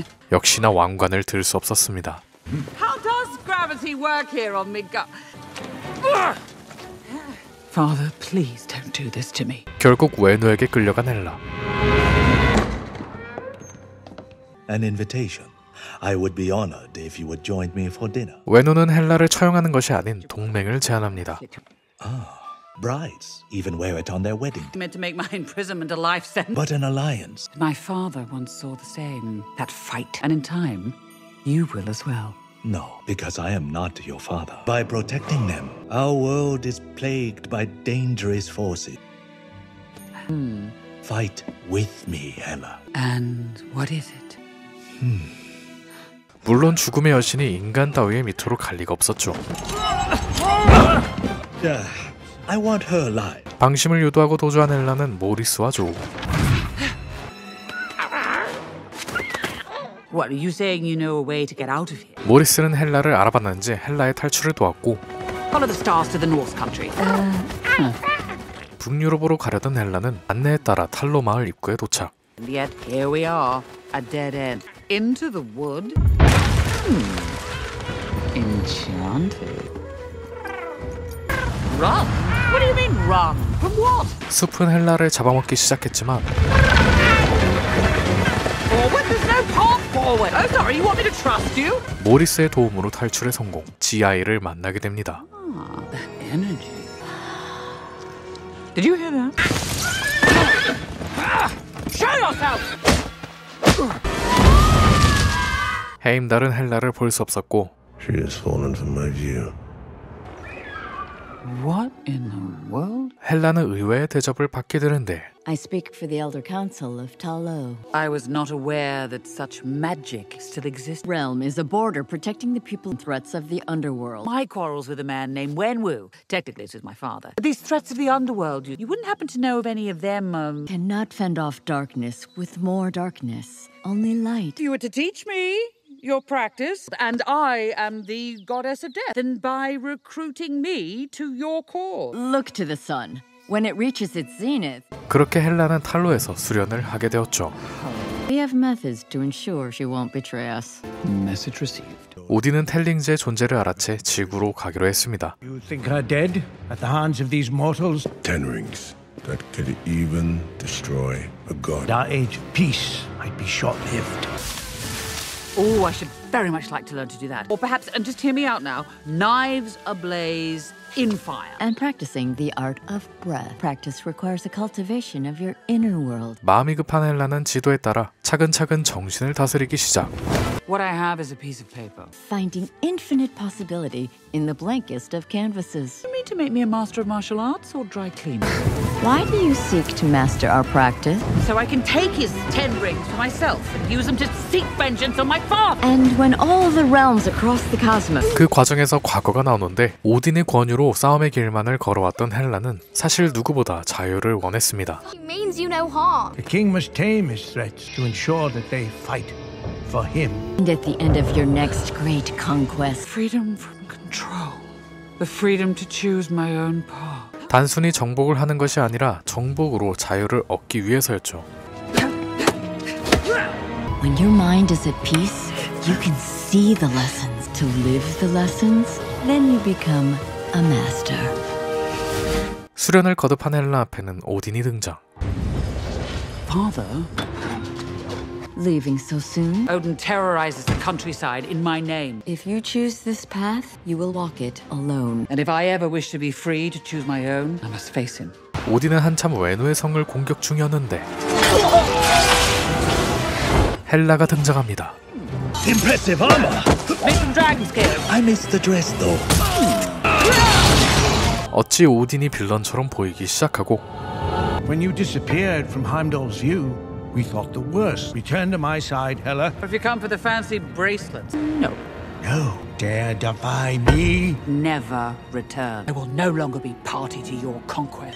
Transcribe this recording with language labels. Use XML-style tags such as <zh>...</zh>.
<ko>역시나 왕관을 들 수 없었습니다.</ko> <en>How does gravity work here on Midgard? Father, please don't do this to me.</en> <ko>결국 웨노에게 끌려간 헬라.</ko> <en>An invitation. I would be honored if you would join me for dinner.</en> <ko>웨노는 헬라를 처형하는 것이 아닌 동맹을 제안합니다.</ko> <en>Oh, brides even wear it on their wedding. Meant to make my imprisonment a life sentence. But an alliance. My father once saw the same, that fight. And in time, you will as well. No, because I am not your father. By protecting them, our world is plagued by dangerous forces. Fight with me, Hela. And what is it? Hmm.</en> <ko>물론 죽음의 여신이 인간 따위의 밑으로 갈 리가 없었죠.</ko> <en>I want her alive.</en> <ko>방심을 유도하고 도주한 헬라는 모리스와 조우.</ko> <en>What are you saying? You know a way to get out of here?</en> <ko>모리스는 헬라를 알아봤는지 헬라의 탈출을 도왔고.</ko> <en>Follow the stars to the North Country.</en> <ko>북유럽으로 가려던 헬라는 안내에 따라 탈로 마을 입구에 도착.</ko> <en>And yet here we are, a dead end into the wood. Enchanted. Run? What do you mean run? From what?</en> <ko>숲은 헬라를 잡아먹기 시작했지만.</ko> <en>Forward, there's no path forward. Oh, sorry. You want me to trust you?</en> <ko>모리스의 도움으로 탈출에 성공. GI를 만나게 됩니다.</ko> <en>Ah, that energy. Did you hear that? Show yourself.</en> <ko>헤임달은 헬라를 볼 수 없었고.</ko> <en>She has fallen from my view. What in the world?</en> <ko>헬라는 의외의 대접을 받게 되는데.</ko> <en>I speak for the Elder Council of Talo. I was not aware that such magic still exists. Realm is a border protecting the people from threats of the underworld. My quarrels with a man named Wenwu. Technically, it was my father. But these threats of the underworld, you wouldn't happen to know of any of them, Cannot fend off darkness with more darkness. Only light. You were to teach me your practice, and I am the goddess of death, and by recruiting me to your cause. Look to the sun. When it reaches its zenith.</en> <ko>그렇게 헬라는 탈로에서 수련을 하게 되었죠.</ko> <en>We have methods to ensure she won't betray us. Message received.</en> <ko>오딘은 텔링즈의 존재를 알아채 지구로 가기로 했습니다.</ko> <en>You think her dead at the hands of these mortals? Ten rings that could even destroy a god. Our age of peace might be short-lived. Oh, I should very much like to learn to do that. Or perhaps, and just hear me out now, knives ablaze in fire. And practicing the art of breath. Practice requires a cultivation of your inner world.</en> <ko>마음이 급한 헬라는 지도에 따라 차근차근 정신을 다스리기 시작.</ko> <en>What I have is a piece of paper. Finding infinite possibility in the blankest of canvases. You mean to make me a master of martial arts or dry cleaner? Why do you seek to master our practice? So I can take his ten rings for myself and use them to seek vengeance on my father. And when all the realms across the cosmos.</en> <ko>그 과정에서 과거가 나오는데 오딘의 권유로 싸움의 길만을 걸어왔던 헬라는 사실 누구보다 자유를 원했습니다.</ko> <en>He means you no harm. The king must tame his threats to ensure that they fight for him. And at the end of your next great conquest, freedom from control, the freedom to choose my own path.</en> <ko>단순히 정복을 하는 것이 아니라 정복으로 자유를 얻기 위해서였죠.</ko> <en>When your mind is at peace, you can see the lessons. To live the lessons, then you become a master.</en> <ko>수련을 거듭한 헬라 앞에는 오딘이 등장.</ko> <en>Father. Leaving so soon? Odin terrorizes the countryside in my name. If you choose this path, you will walk it alone. And if I ever wish to be free to choose my own, I must face him.</en> <ko>오딘은 한참 웬우의 성을 공격 중이었는데 헬라가 등장합니다.</ko> <en>Impressive armor. Make some dragons kill. I missed the dress though.</en> <ko>어찌 오딘이 빌런처럼 보이기 시작하고.</ko> <en>When you disappeared from Heimdall's view, we thought the worst. Return to my side, Hela. If you come for the fancy bracelets. No. No. Dare defy me. Never return. I will no longer be party to your conquest.</en>